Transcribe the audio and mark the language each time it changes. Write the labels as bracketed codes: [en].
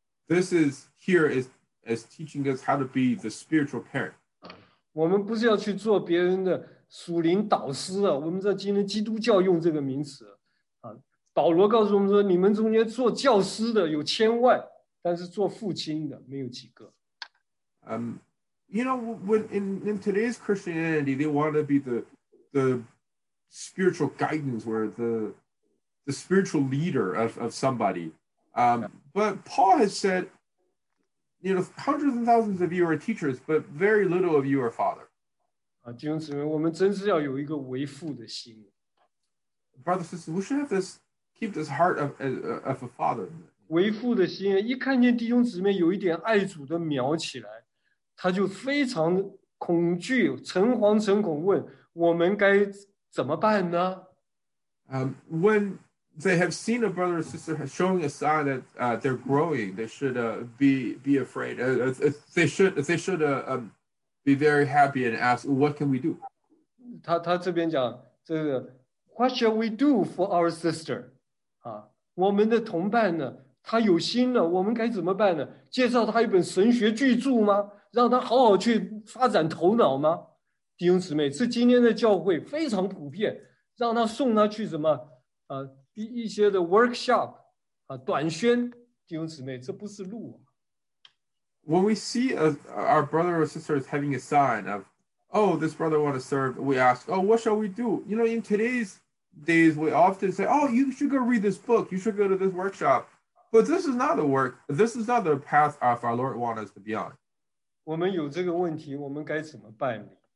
[zh] 弟兄姊妹，这个告诉我们说要做属灵的父母亲了。 [en] This is teaching us how to be the spiritual parent. [zh] 我们不是要去做别人的 属灵导师啊，我们知道今天基督教用这个名词，啊，保罗告诉我们说，你们中间做教师的有千万，但是做父亲的没有几个。 [en] You know, when in today's Christianity, they want to be the spiritual guidance, where the spiritual leader of somebody. But Paul has said, you know, hundreds and thousands of you are teachers, but very little of you are fathers. [zh] 弟兄姊妹，我们真是要有一个为父的心。 [en] Brothers and sisters, we should have this, keep this heart of a father. [zh] 为父的心，一看见弟兄姊妹有一点爱主的苗起来，他就非常恐惧，诚惶诚恐问，我们该怎么办呢？ [en] When they have seen a brother or sister showing a sign that they're growing, they should be afraid. They should be very happy and ask, what can we do? [zh] 他这边讲, 这个, [en] what shall we do for our sister? [zh] 我们的同伴呢, 他有心了, 我们该怎么办呢? 介绍他一本神学巨著吗?让他好好去发展头脑吗? 弟兄姊妹, 这今天的教会非常普遍, 让他送他去什么, 一些的workshop, 短宣, 弟兄姊妹, 这不是路。 [en] When we see our brother or sister is having a sign of, oh, this brother want to serve, we ask, oh, what shall we do? You know, in today's days, we often say, oh, you should go read this book, you should go to this workshop. But this is not the work, this is not the path of our Lord wants us to be on. [zh] 我们有这个问题, 我们该怎么办呢?